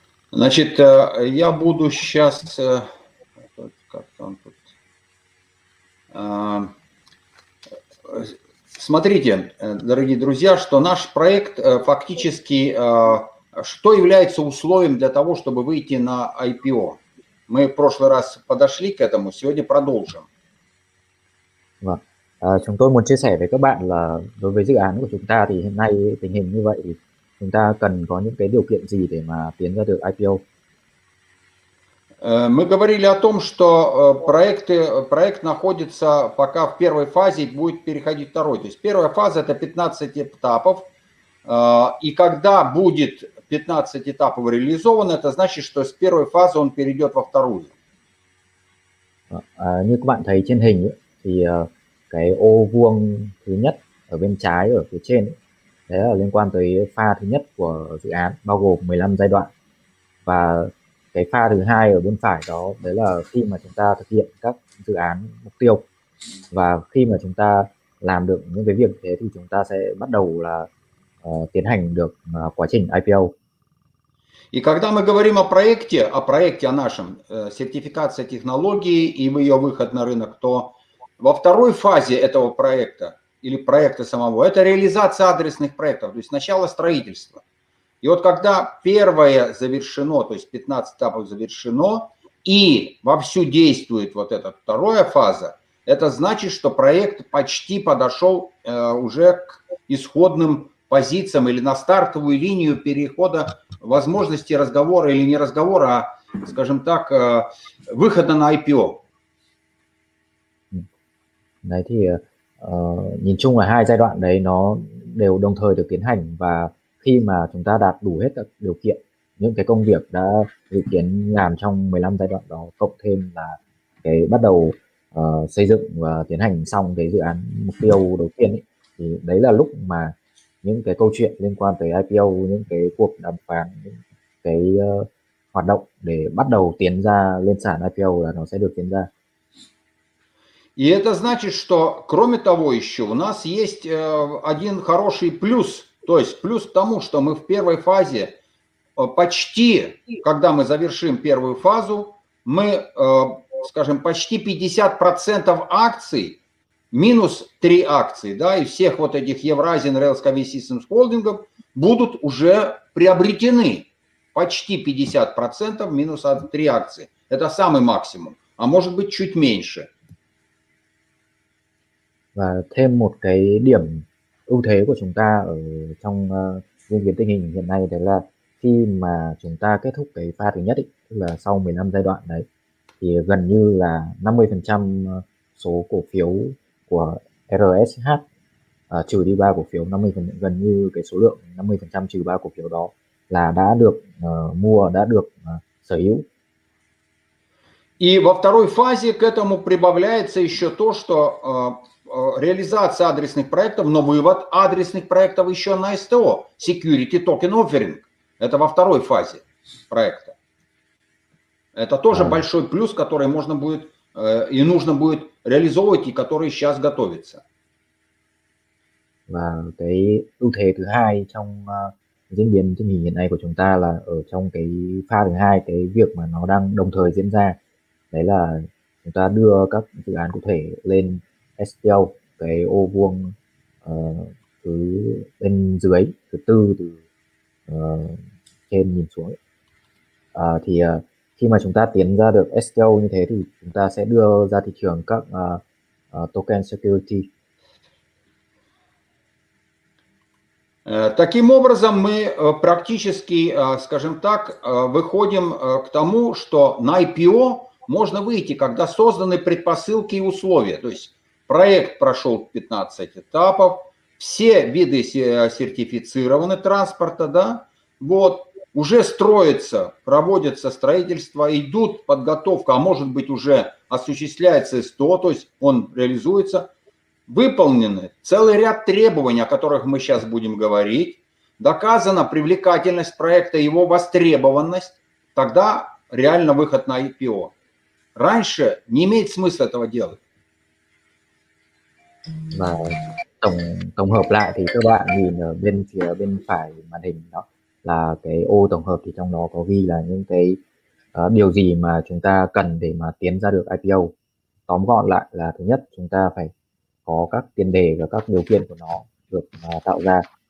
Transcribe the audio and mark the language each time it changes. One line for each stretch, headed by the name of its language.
Russian: Значит, я буду сейчас... Как-то он тут... Смотрите, дорогие друзья, что наш проект фактически, что является условием для того, чтобы выйти на IPO? Мы в прошлый раз подошли к этому, сегодня продолжим.
Vietnamese: Chúng tôi muốn chia sẻ với các bạn là đối với dự án của chúng ta thì hiện nay tình hình như vậy, chúng ta cần có những cái điều kiện gì để mà tiến ra được IPO?
Russian: Мы говорили о том, что проект находится пока в первой фазе и будет переходить в вторую. То есть первая фаза – это 15 этапов. И когда будет 15 этапов реализовано, это значит, что с первой фазы он перейдет во вторую.
Vietnamese: Như các bạn thấy trên hình, thì cái ô vuông thứ nhất ở bên trái, ở phía trên, đấy là liên quan tới pha thứ nhất của dự án, bao gồm 15 giai đoạn. Và cái pha thứ hai ở bên phải đó, đấy là khi mà chúng ta thực hiện các dự án mục tiêu, và khi mà chúng ta làm được những cái việc thế thì chúng ta sẽ bắt đầu là tiến hành được quá trình IPO.
Russian: И когда мы говорим о проекте о нашем, сертификация технологии и ее выход на рынок, то во второй фазе этого проекта или проекта самого, это реализация адресных проектов, то есть начало строительства. И вот когда первое завершено, то есть 15 этапов завершено, и вовсю действует вот эта вторая фаза, это значит, что проект почти подошел уже к исходным позициям или на стартовую линию перехода возможности разговора или не разговора, а, скажем так, выхода на IPO.
Vietnamese: Đấy thì nhìn chung là hai giai đoạn đấy nó đều đồng thời được tiến hành, và khi mà chúng ta đạt đủ hết các điều kiện, những cái công việc đã dự kiến làm trong 15 giai đoạn đó, cộng thêm là cái bắt đầu xây dựng và tiến hành xong cái dự án mục tiêu đầu tiên ấy, thì đấy là lúc mà những cái câu chuyện liên quan tới IPO, những cái cuộc đàm phán, những cái hoạt động để bắt đầu tiến ra lên sàn IPO là nó sẽ được tiến ra.
Russian: И это значит, что кроме того еще у нас есть один хороший плюс, то есть плюс к тому, что мы в первой фазе почти, когда мы завершим первую фазу, мы, скажем, почти 50% акций, минус 3 акции, да, и всех вот этих Евразин Rail Scavi Systems холдингов будут уже приобретены, почти 50% минус 3 акции, это самый максимум, а может быть чуть меньше.
Vietnamese: Và thêm một cái điểm ưu thế của chúng ta ở trong diễn biến tình hình hiện nay, đấy là khi mà chúng ta kết thúc cái pha thứ nhất ý, tức là sau 15 giai đoạn đấy, thì gần như là 50% số cổ phiếu của RSH trừ đi 3 cổ phiếu, 50%, gần như cái số lượng 50% trừ 3 cổ phiếu đó là đã được mua, đã được sở hữu.
Russian: И во второй фазе к этому прибавляется еще то, что реализация адресных проектов, но вывод адресных проектов еще на СТО, Security Token Offering, это во второй фазе проекта. Это тоже большой плюс, который можно будет и нужно будет реализовывать, и который сейчас готовится.
Vietnamese: Và cái ưu thế thứ hai trong diễn biến tình hình hiện nay của chúng ta là ở trong cái pha thứ hai, cái việc mà nó đang đồng thời diễn ra, đấy là chúng ta đưa các dự án cụ thể lên STO, cái ô vuông thứ bên dưới, thứ tư từ trên nhìn xuống. Thì khi mà chúng ta tiến ra được STO như thế thì chúng ta sẽ đưa ra thị trường các token security.
Russian: Таким образом мы практически, скажем так, выходим к тому, что на IPO можно выйти, когда созданы предпосылки и условия, то есть проект прошел 15 этапов, все виды сертифицированы транспорта, да, вот, уже строится, проводится строительство, идут подготовка, а может быть уже осуществляется СТО, то есть он реализуется, выполнены целый ряд требований, о которых мы сейчас будем говорить, доказана привлекательность проекта, его востребованность, тогда реально выход на IPO. Раньше не имеет смысла этого делать.
Vietnamese: Và tổng hợp lại thì các bạn nhìn ở bên phía bên phải màn hình đó là cái ô tổng hợp, thì trong đó có ghi là những cái điều gì mà chúng ta cần để mà tiến ra được IPO. Tóm gọn lại là thứ nhất, chúng ta phải có các tiền đề và các điều kiện của nó được tạo ra.